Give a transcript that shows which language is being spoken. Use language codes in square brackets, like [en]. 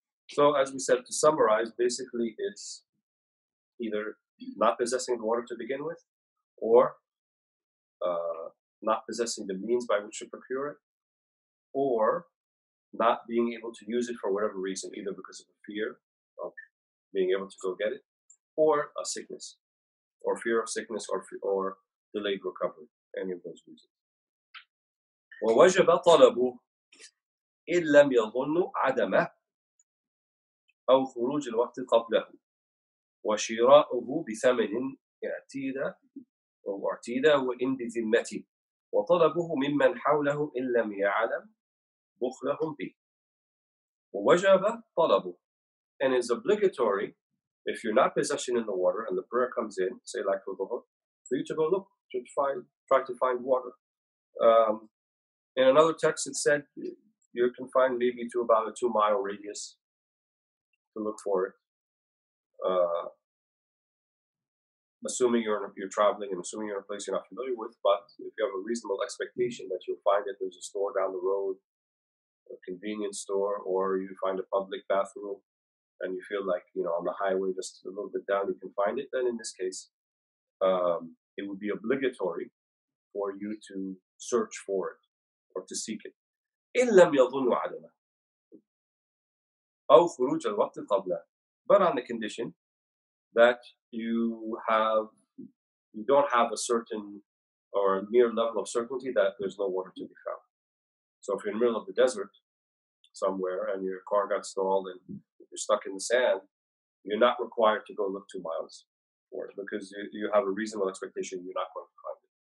[en] So as we said, to summarize, basically it's either not possessing the water to begin with, or not possessing the means by which to procure it, or not being able to use it for whatever reason, either because of a fear of being able to go get it, or a sickness, or fear of sickness, or delayed recovery, any of those reasons. [ar] وَوَجَبَ طَلَبُ إِن لَمْ يَظُنُّ عَدَمَهُ أو خروج الوقت قبله وشراؤه بثمن اعتيدا أو اعتيدا وإن بذمته وطلبه ممن حوله إن لم يعلم بخلهم به ووجب طلبه. [en] And it's obligatory, if you're not possessing in the water and the prayer comes in, say like for Dhuhr, for you to go look, to try to find water. In another text it said you're confined maybe to about a 2 mile radius to look for it, assuming you're traveling and assuming you're in a place you're not familiar with. But if you have a reasonable expectation that you'll find it, there's a store down the road, a convenience store, or you find a public bathroom, and you feel like, on the highway just a little bit down, you can find it, then in this case, it would be obligatory for you to search for it or to seek it. [ar] إن لم يظنوا عدمه أو خروج الوقت قبله. [en] But on the condition that you don't have a certain or near level of certainty that there's no water to be found. So if you're in the middle of the desert somewhere and your car got stalled and you're stuck in the sand, you're not required to go look 2 miles for it because you have a reasonable expectation you're not going to find it.